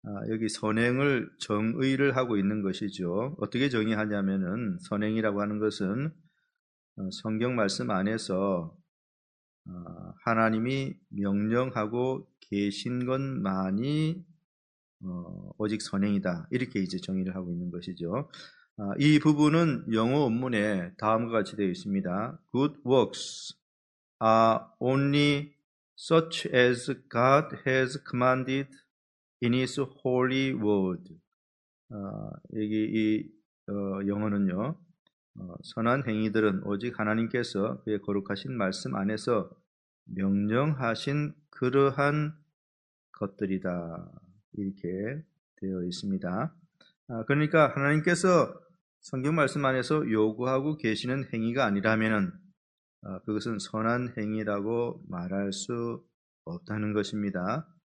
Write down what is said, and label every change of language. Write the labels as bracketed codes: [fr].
[ko] 여기 선행을 정의를 하고 있는 것이죠. 어떻게 정의하냐면은 선행이라고 하는 것은 성경 말씀 안에서 하나님이 명령하고 계신 것만이 오직 선행이다. 이렇게 이제 정의를 하고 있는 것이죠. 이 부분은 영어 원문에 다음과 같이 되어 있습니다. [en] Good works are only such as God has commanded in His holy word. [ko] 여기 이 영어는요. 선한 행위들은 오직 하나님께서 그의 거룩하신 말씀 안에서 명령하신 그러한 것들이다. 이렇게 되어 있습니다. 그러니까 하나님께서 성경 말씀 안에서 요구하고 계시는 행위가 아니라면 그것은 선한 행위라고 말할 수 없다는 것입니다.